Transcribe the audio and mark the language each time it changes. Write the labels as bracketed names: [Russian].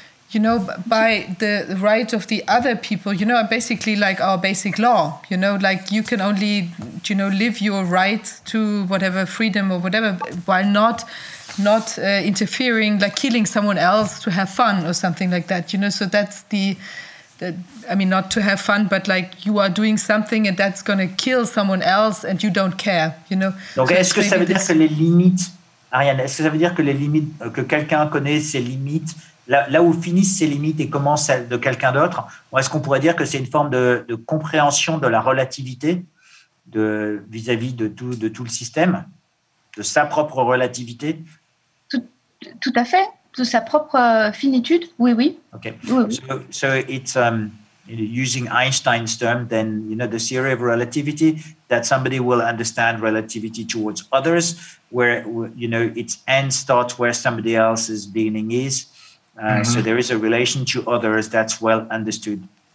[English] you know, by the right of the other people, you know, basically like our basic law, you know, like you can only, you know, live your right to whatever freedom or whatever, while not interfering, like killing someone else to have fun or something like that, you know. So that's the, I mean, not to have fun, but like you are doing something and that's going to kill someone else and you don't care, you know. [French] Donc, so est-ce que ça veut dire que les limites, Ariane, est-ce que ça veut dire que les limites, que quelqu'un connaît ses limites, là où finissent ses limites et commencent celles de quelqu'un d'autre, ou est-ce qu'on pourrait dire que c'est une forme de compréhension de la relativité de, vis-à-vis de tout le système, de sa propre relativité? Tout à fait, de sa propre finitude, oui. [English] Okay, so it's using Einstein's term, then, you know, the theory of relativity, that somebody will understand relativity towards others, where, you know, its end starts where somebody else's beginning is. Mm-hmm. So there is a relation to others that's well understood.